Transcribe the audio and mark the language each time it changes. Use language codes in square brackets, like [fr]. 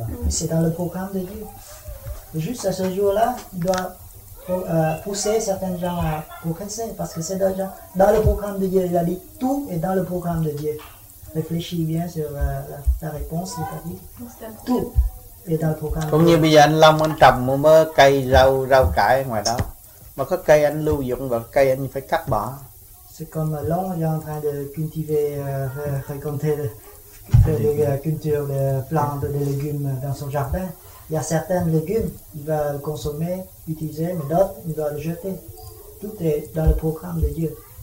[fr] C'est dans le programme de Dieu. Juste à ce jour-là, il doit pousser certains gens à progresser, parce que c'est déjà dans le programme de Dieu. Il a dit tout est dans le programme de Dieu. Réfléchis bien sur la réponse, il a dit tout est dans le programme de Dieu. Comme [vi] bây giờ anh Long anh trồng một mớ cây rau cải ngoài đó, mà có cây anh lưu dụng và cây anh phải cắt bỏ. [fr] C'est comme l'on est en train de cultiver, récolter des plantes, des légumes dans son jardin. Il y a certains légumes qu'il va consommer, utiliser, mais d'autres il va les jeter. Tout est dans le programme de Dieu.